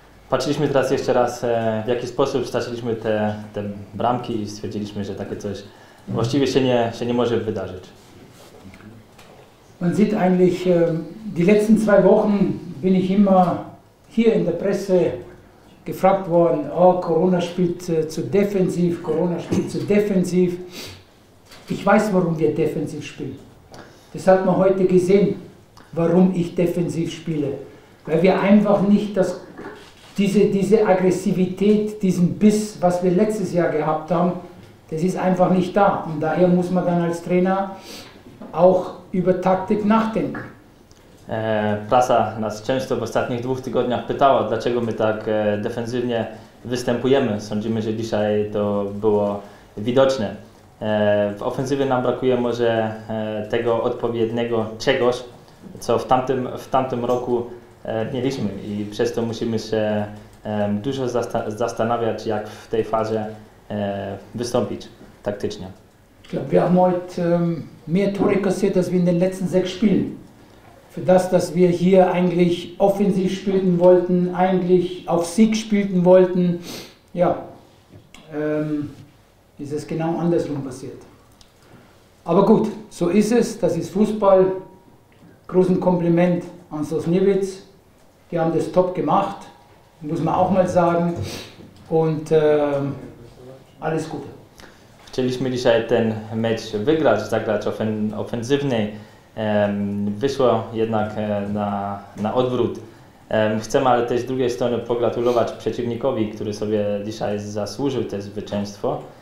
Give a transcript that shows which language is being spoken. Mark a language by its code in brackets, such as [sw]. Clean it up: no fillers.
[pl] Patrzyliśmy teraz jeszcze raz, w jaki sposób straciliśmy te bramki i stwierdziliśmy, że takie coś właściwie się nie może wydarzyć. [de] Man sieht eigentlich, die letzten zwei Wochen bin ich immer hier in der Presse gefragt worden, oh, Corona spielt zu defensiv, Corona spielt zu defensiv. Ich weiß, warum wir defensiv spielen. Das hat man heute gesehen, warum ich defensiv spiele. Weil wir einfach nicht diese Aggressivität, diesen Biss, was wir letztes Jahr gehabt haben, das ist einfach nicht da. Und daher muss man dann als Trainer auch über Taktik nachdenken. [pl] Prasa nas często w ostatnich dwóch tygodniach pytała, dlaczego my tak defensywnie występujemy. Sądzimy, że dzisiaj to było widoczne. W ofensywie nam brakuje może tego odpowiedniego czegoś, co w tamtym roku mieliśmy i przez to musimy się dużo zastanawiać, jak w tej fazie wystąpić taktycznie. [de] Ich glaube, wir haben heute mehr Tore kassiert, als wir in den letzten sechs Spielen. Für das, dass wir hier eigentlich offensiv spielen wollten, eigentlich auf Sieg spielen wollten, ja, ist es genau andersrum passiert. Aber gut, so ist es, das ist Fußball. Großen Kompliment an Sosnowitz. Die haben das top gemacht, muss man auch mal sagen. Und alles Gute. [pl] Chcieliśmy dzisiaj ten mecz wygrać, zagrać ofensywnie. Wyszło jednak na odwrót. Chcemy ale też z drugiej strony pogratulować przeciwnikowi, który sobie dzisiaj zasłużył to zwycięstwo.